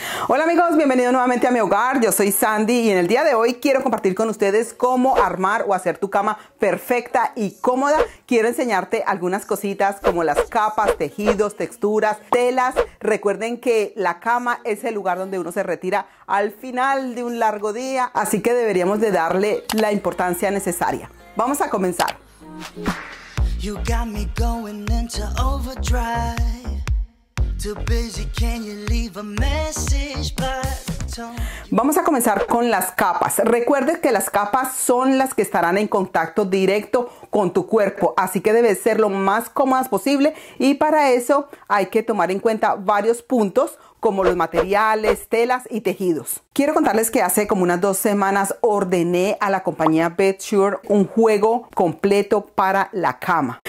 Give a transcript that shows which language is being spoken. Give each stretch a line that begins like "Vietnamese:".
Spanish: Hola amigos, bienvenidos nuevamente a mi hogar. Yo soy Sandy y en el día de hoy quiero compartir con ustedes cómo armar o hacer tu cama perfecta y cómoda. Quiero enseñarte algunas cositas como las capas, tejidos, texturas, telas. Recuerden que la cama es el lugar donde uno se retira al final de un largo día, así que deberíamos de darle la importancia necesaria. Vamos a comenzar.
English: You got me going into overdrive. Too busy, can you leave a message by the tone?
Spanish: Vamos a comenzar con las capas. Recuerde que las capas son las que estarán en contacto directo con tu cuerpo, así que debe ser lo más cómodas posible y para eso hay que tomar en cuenta varios puntos como los materiales, telas y tejidos. Quiero contarles que hace como unas 2 semanas ordené a la compañía Bedsure un juego completo para la cama.